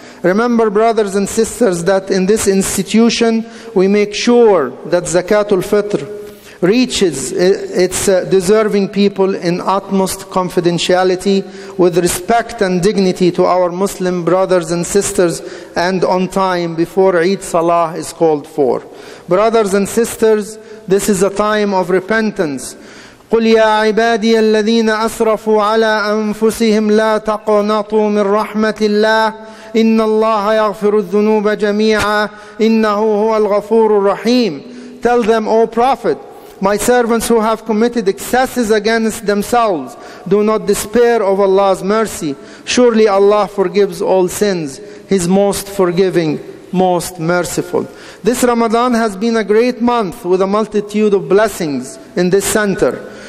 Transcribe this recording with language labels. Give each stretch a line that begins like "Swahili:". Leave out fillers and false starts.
English: Remember, brothers and sisters, that in this institution we make sure that Zakatul Fitr reaches its deserving people in utmost confidentiality, with respect and dignity to our Muslim brothers and sisters, and on time before Eid Salah is called for. Brothers and sisters, this is a time of repentance.
Arabic: قل يا عبادي الذين أسرفوا على أنفسهم لا تقنطوا من رحمة الله إن الله يغفر الذنوب جميعا إنه هو الغفور الرحيم.
English: Tell them, O Prophet, my servants who have committed excesses against themselves, do not despair of Allah's mercy. Surely Allah forgives all sins. He's most forgiving, most merciful. This Ramadan has been a great month with a multitude of blessings in this center.